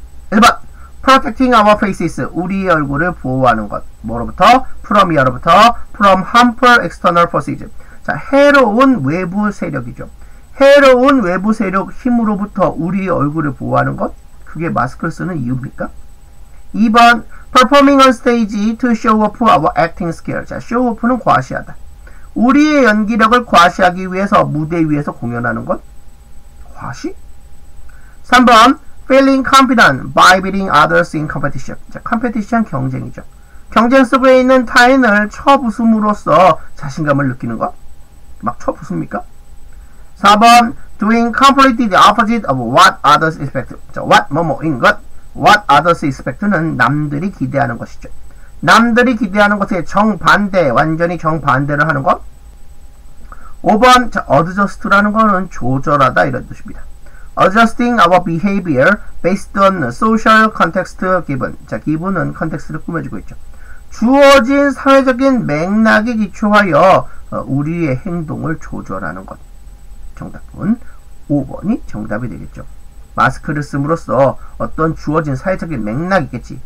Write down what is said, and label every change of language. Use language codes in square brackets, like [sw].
[ko] 1번, [en] protecting our faces, [ko] 우리의 얼굴을 보호하는 것. 뭐로부터? [en] From [ko] 여로부터, [en] from harmful external forces. [ko] 자, 해로운 외부 세력이죠. 해로운 외부 세력 힘으로부터 우리의 얼굴을 보호하는 것? 그게 마스크를 쓰는 이유입니까? [en] 2번 Performing on stage to show off our acting skills. [ko] 자, show off는 과시하다. 우리의 연기력을 과시하기 위해서 무대 위에서 공연하는 것? 과시? 3번 [en] Feeling confident by beating others in competition. [ko] 자, competition 경쟁이죠. 경쟁 속에 있는 타인을 쳐부숨으로써 자신감을 느끼는 것? 막 쳐부숩니까? [en] 4번 Doing completely the opposite of what others expect. [ko] 자, what 뭐뭐인 것? [en] What others expect [ko] 는 남들이 기대하는 것이죠. 남들이 기대하는 것에 정반대, 완전히 정반대를 하는 것. 5번, 자, adjust라는 것은 조절하다 이런 뜻입니다. [en] Adjusting our behavior based on social context given. [ko] 자, 기분은 컨텍스트를 꾸며주고 있죠. 주어진 사회적인 맥락에 기초하여 우리의 행동을 조절하는 것. 정답은 5번이 정답이 되겠죠. 마스크를 씀으로써 어떤 주어진 사회적인 맥락이겠지.